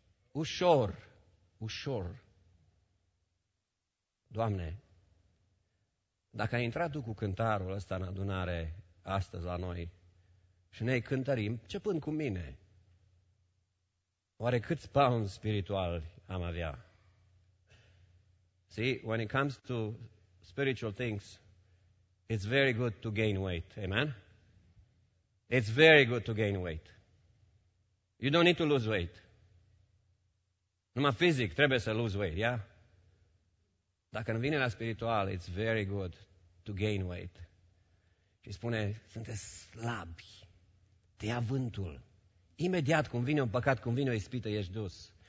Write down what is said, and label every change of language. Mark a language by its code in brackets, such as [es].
[ro] Ușor. Doamne, Dacă ai intrat tu cu cântarul ăsta în adunare astăzi la noi și ne-ai cântărim, începând cu mine, oare câți pounds spirituali am avea? [en] See, when it comes to spiritual things, it's very good to gain weight. Amen? It's very good to gain weight. You don't need to lose weight. [ro] Numai fizic trebuie să [en] lose weight, yeah? [ro] Dacă în vinerea spirituală, [en] it's very good to gain weight. [ro] Și spune, sunteți slabi. Te ia vântul. Imediat cum vine un păcat, cum vine o ispită, ești dus.